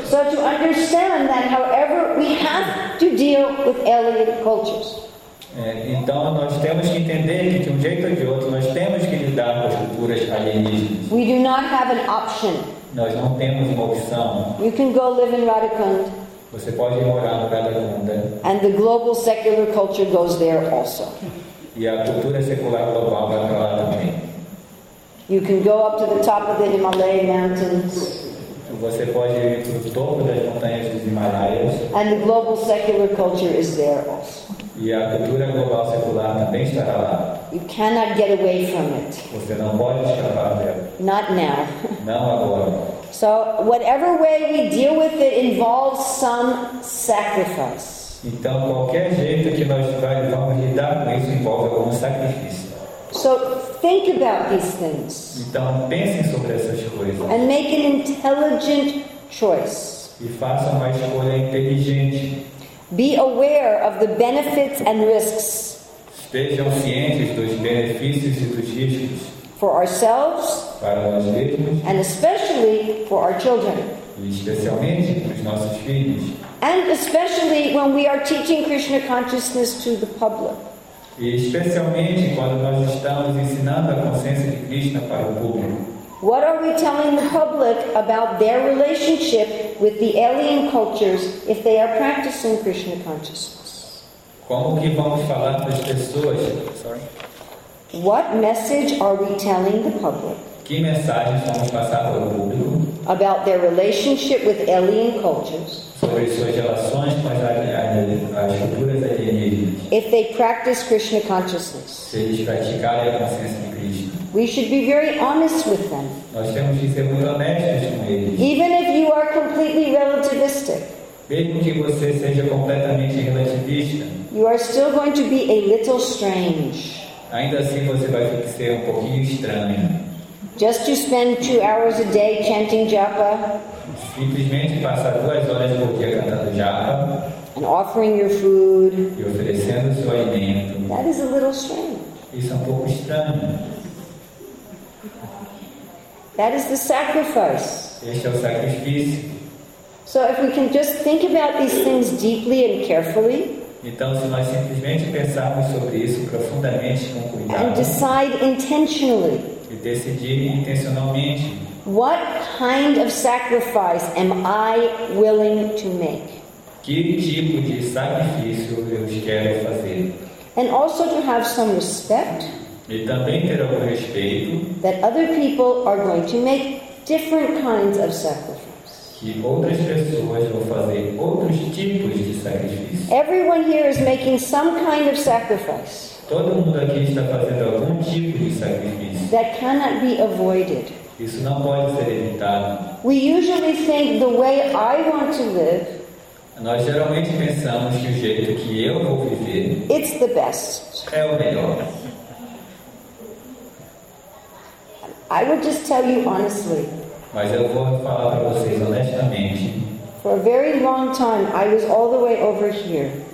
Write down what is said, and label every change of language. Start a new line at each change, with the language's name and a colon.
English: So to understand that, however, we have to deal with alien cultures.
Portuguese: Então nós temos que entender que de jeito ou de outro nós temos que lidar com as culturas alienígenas.
English: We do not have an option.
Portuguese: Nós não temos uma opção.
English: You can go live in Radhakund.
Portuguese: Você pode morar no Radhakunda.
English: And the global secular culture goes there also.
Portuguese: E a cultura secular global vai para lá também.
English: You can go up to the top of the Himalaya mountains.
Portuguese: Você pode ir para o topo das montanhas dos Himalaias.
English: And the global secular culture is there also.
Portuguese: E a cultura global secular também estará lá.
English: You cannot get away from it.
Portuguese: Você não pode escapar dela.
English: Not now.
Portuguese: Não agora.
English: So whatever way we deal with it involves some sacrifice.
Portuguese: Então qualquer jeito que nós vamos lidar com isso envolve algum sacrifício.
English: So think about these things.
Portuguese: Então pensem sobre essas coisas.
English: And make an intelligent choice.
Portuguese: E façam uma escolha inteligente.
English: Be aware of the benefits and risks.
Portuguese: Estejam cientes dos benefícios e dos riscos.
English: For ourselves,
Portuguese: para nós mesmos,
English: and especially for our children,
Portuguese: especialmente para os nossos filhos,
English: and especially when we are teaching Krishna consciousness to the public,
Portuguese: e especialmente quando nós estamos ensinando a consciência de Krishna para o público.
English: What are we telling the public about their relationship with the alien cultures if they are practicing Krishna consciousness?
Portuguese: Como que vamos falar para as pessoas?
English: What message are we telling the public?
Portuguese: Que mensagens vamos passar para o público?
English: About their relationship with alien cultures.
Portuguese: Sobre suas relações com as culturas alienígenas.
English: If they practice Krishna consciousness.
Portuguese: Se eles praticarem a consciência de Krishna.
English: We should be very honest with them.
Portuguese: Nós temos que ser muito honestos com eles.
English: Even if you are completely relativistic.
Portuguese: Mesmo que você seja completamente relativista,
English: you are still going to be a little strange.
Portuguese: Ainda assim você vai ser um pouquinho estranho.
English: Just to spend 2 hours a day chanting japa.
Portuguese: Simplesmente passar 2 horas por dia cantando japa.
English: And offering your food.
Portuguese: E oferecendo seu alimento.
English: That is a little strange.
Portuguese: Isso é um pouco estranho.
English: That is the sacrifice.
Portuguese: Este é o sacrifício.
English: So if we can just think about these things deeply and carefully.
Portuguese: Então, se nós simplesmente pensarmos sobre isso profundamente, com cuidado.
English: And decide intentionally.
Portuguese: E decidir intencionalmente.
English: What kind of sacrifice am I willing to make?
Portuguese: Que tipo de sacrifício eu quero fazer?
English: And also to have some respect.
Portuguese: E também ter algum respeito.
English: That other people are going to make different kinds of sacrifice.
Portuguese: Que outras pessoas vão fazer outros tipos de sacrifício.
English: Everyone here is making some kind of sacrifice.
Portuguese: Todo mundo aqui está fazendo algum tipo de sacrifício.
English: That cannot be avoided.
Portuguese: Isso não pode ser evitado.
English: We usually think the way I want to live.
Portuguese: Nós geralmente pensamos que o jeito que eu vou viver.
English: It's the best.
Portuguese: É o melhor.
English: I will just tell you honestly.
Portuguese: Mas eu vou falar para vocês honestamente.
English: For a very long time, I was all the way over here.